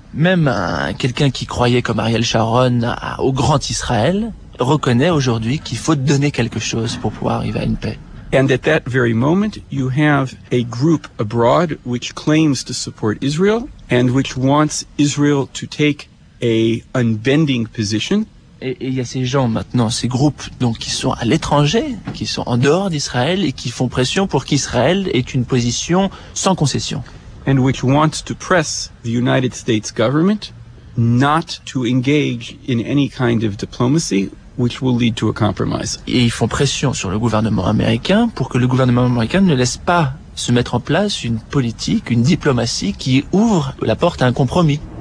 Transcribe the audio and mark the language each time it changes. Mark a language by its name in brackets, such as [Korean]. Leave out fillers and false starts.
[French] Même quelqu'un qui croyait comme Ariel Sharon au grand Israël reconnaît aujourd'hui qu'il faut donner quelque chose pour pouvoir arriver à une paix. [English] And at that very moment, you have a group abroad which claims to support Israel and which wants Israel to take a unbending position. [French] Et il y a ces gens maintenant, ces groupes donc qui sont à l'étranger, qui sont en dehors d'Israël et qui font pression pour qu'Israël ait une position sans concession. [English] And which wants to press the United States government not to engage in any kind of diplomacy which will lead to a compromise. [French] Et ils font pression sur le gouvernement américain pour que le gouvernement américain ne laisse pas se mettre en place une politique, une diplomatie qui ouvre la porte à un compromis.